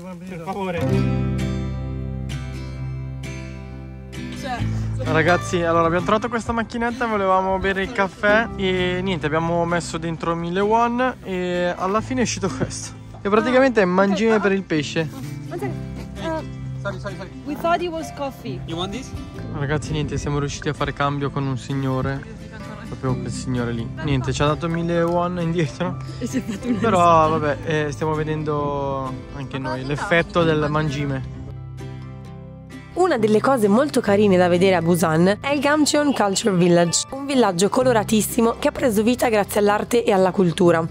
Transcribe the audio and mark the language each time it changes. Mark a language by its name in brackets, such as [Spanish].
[Italian] buon appetito. Per favore. Ragazzi, allora abbiamo trovato questa macchinetta, volevamo bere il caffè e niente, abbiamo messo dentro 1000 won e alla fine è uscito questo. E praticamente è mangime per il pesce. [English] Sorry. We thought it was coffee. You want this? [Italian] Ragazzi, niente, siamo riusciti a fare cambio con un signore. Proprio quel signore lì. Niente, ci ha dato 1000 won indietro. E si è fatto un però insieme. Vabbè, stiamo vedendo anche noi l'effetto del mangime. Una delle cose molto carine da vedere a Busan è il Gamcheon Culture Village, un villaggio coloratissimo che ha preso vita grazie all'arte e alla cultura.